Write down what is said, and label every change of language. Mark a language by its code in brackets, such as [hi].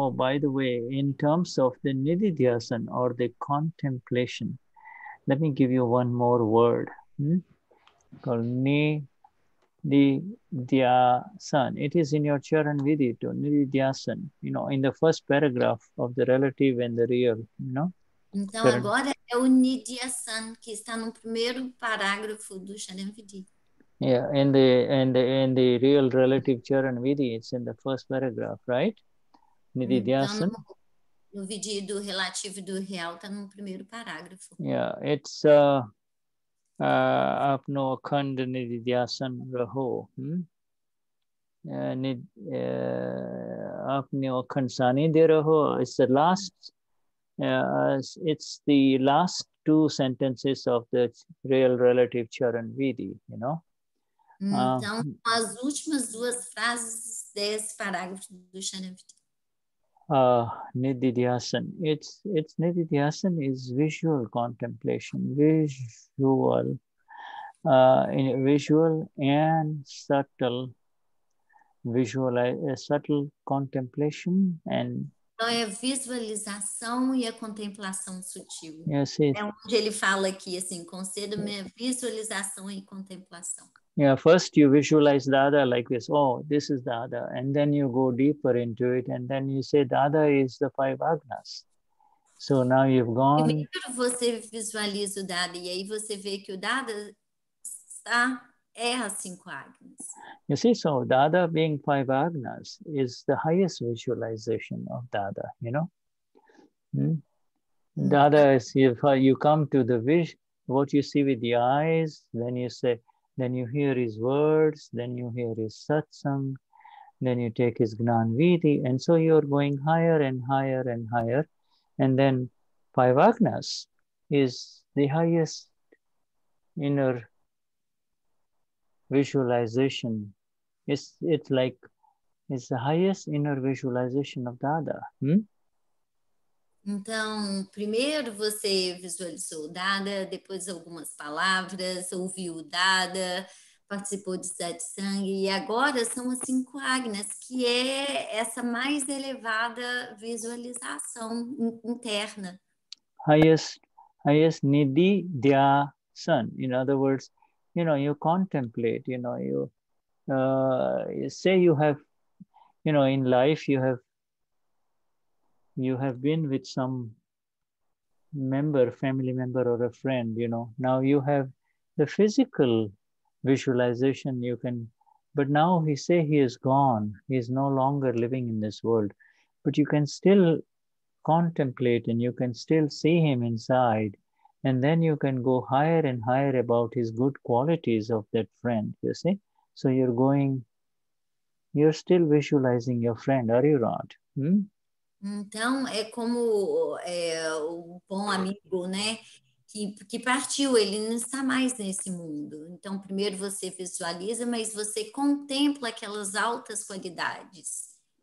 [en] Oh, by the way, in terms of the nididhyasana or the contemplation, let me give you one more word called nididhyasana. It is in your Charan Vidhi to nididhyasana, you know, in the first paragraph of the relative and the real, you know. [pt] Então, Charan. Agora é o nididhyasana que está no primeiro parágrafo do Charan Vidhi. [en] Yeah, in the real relative Charan Vidhi, it's in the first paragraph, right? Nididhyasana. [pt] No Vidhi do relativo do real, tá no primeiro parágrafo. [en] Yeah, it's [gu] apno akhand nididhyasana raho. Apno akhand sanidhi raho. [en] It's the last two sentences of the real relative Charan Vidhi, you know. [pt] Então, as últimas duas frases desse parágrafo do Charanvidhi. [en] Nididhyasana. It's nididhyasana is visual contemplation. Visual. Visual and subtle. Subtle contemplation and... [pt] Então, é visualização e a contemplação sutil. [en] Yes, [pt] é onde ele fala aqui, assim, conceda-me a visualização e contemplação. [en] Yeah, first you visualize Dada like this. Oh, this is Dada. And then you go deeper into it. And then you say Dada is the five agnas. So now you've gone. [pt] Primeiro você visualiza o Dada. E aí você vê que o Dada é as cinco agnas. [en] You see, so Dada being five agnas is the highest visualization of Dada, you know. Dada is if you come to the vision, what you see with the eyes, then you say, then you hear his words, then you hear his satsang, then you take his Gnan Vidhi, and so you're going higher and higher and higher. And then five agnas is the highest inner visualization. It's the highest inner visualization of Dada. [pt] Então, primeiro você visualizou o Dada, depois algumas palavras, ouviu o Dada, participou de satsang, e agora são as cinco agnas, que é essa mais elevada visualização interna. [en] Highest nidhi dhyasan. In other words, you know, you contemplate, you know, you say you have, you know, in life you have been with some member, family member or a friend, you know. Now you have the physical visualization, you can, but now he say he is gone. He is no longer living in this world. But you can still contemplate and you can still see him inside. And then you can go higher and higher about his good qualities of that friend, you see. So you're going, you're still visualizing your friend, are you not? [pt] Então, é como o bom amigo, né, que partiu, ele não está mais nesse mundo. Então, primeiro você visualiza, mas você contempla aquelas altas qualidades.